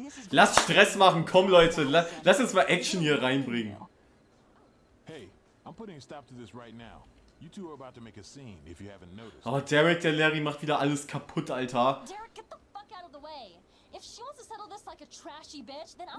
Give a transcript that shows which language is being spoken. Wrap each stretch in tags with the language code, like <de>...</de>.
<de>Lass Stress machen, komm Leute, lass uns mal Action hier reinbringen.</de> <en>Hey, I'm putting a stop to this right now. You two are about to make a scene if you haven't noticed.</en> <de>Oh, Derek, der Larry macht wieder alles kaputt, Alter.</de> <en>Derek, get the fuck out of the way. If she wants to settle this like a trashy bitch, then I'm</en>